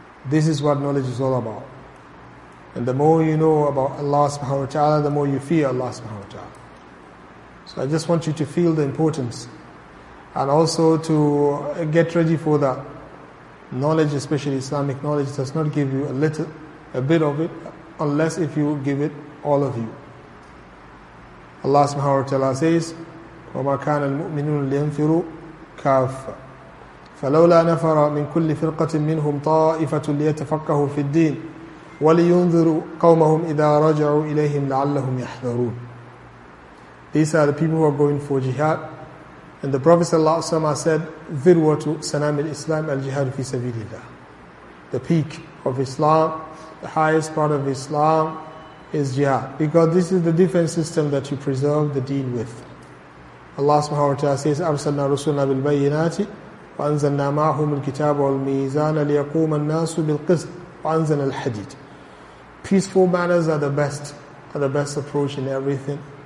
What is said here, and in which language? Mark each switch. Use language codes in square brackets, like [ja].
[en] This is what knowledge is all about. And the more you know about Allah subhanahu wa ta'ala, the more you fear Allah subhanahu wa ta'ala. So I just want you to feel the importance and also to get ready for that. Knowledge, especially Islamic knowledge, does not give you a bit of it, unless if you give it all of you. Allah subhanahu wa ta'ala says, [ar] وَمَا كَانَ الْمُؤْمِنُونَ لِيَنْفِرُوا كَافَّ فَلَوْلَا نَفَرَ مِنْ كُلِّ فِرْقَةٍ مِّنْهُمْ طَائِفَةٌ لِيَتَفَقَّهُ فِي الدِّينِ وَلِيُنْذِرُوا قَوْمَهُمْ إِذَا رَجَعُوا إِلَيْهِمْ لَعَلَّهُمْ يَحْذَرُونَ. [en] These are the people who are going for jihad. And the Prophet sallallahu alayhi wa sallam said, [ar] ذِرْوَةُ سَنَامِ الْإِسْلَامِ الْجِهَادُ فِي سَبِيلِ اللَّهِ. [en] The peak of Islam, the highest part of Islam is jihad. Because this is the defense system that you preserve the deen with. Allah subhanahu wa ta'ala says, [ar] أَرْسَلْنَا رُسُلْنَا بِالْبَيِّنَاتِ وَأَنزَلْنَا مَعْهُمُ الْكِتَابَ وَالْمِيزَانَ لِيَقُومَ النَّاسُ بِالْقِسْطِ وَأَنزَلْنَا الْحَدِيدِ. [en] Peaceful manners are the best approach in everything.